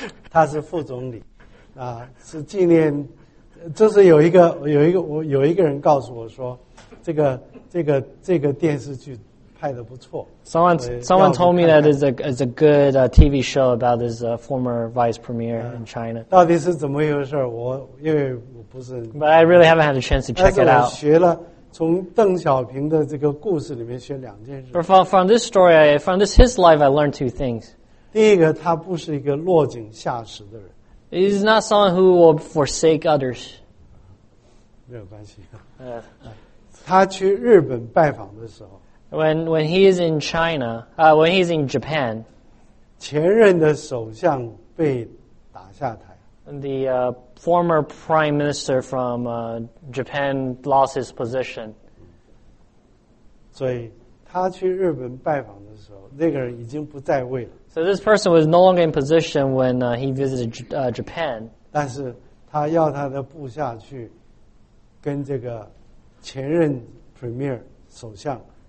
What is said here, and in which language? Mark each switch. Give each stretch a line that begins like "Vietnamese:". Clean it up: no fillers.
Chinese: 他是副总理，是纪念，这是有一个人告诉我说，这个电视剧拍的不错。
English: Someone told me that is a good TV show about this former vice premier in China.
Chinese: 到底是怎么回事？因为我不是。
English: But I really haven't had a chance to check it out.
Chinese: 我学了从邓小平的这个故事里面学两件事。
English: But from this story, from this his life, I learned two things.
Chinese: 第一个，他不是一个落井下石的人。
English: He's not someone who will forsake others.
Chinese: 没有关系。他去日本拜访的时候。
English: When he is in China, when he is in Japan,
Chinese: 前任的首相被打下台。
English: The former prime minister from Japan lost his position.
Chinese: 所以他去日本拜访的时候，那个人已经不在位了。
English: So this person was no longer in position when he visited Japan.
Chinese: 但是他要他的部下去跟这个前任 premier 首相。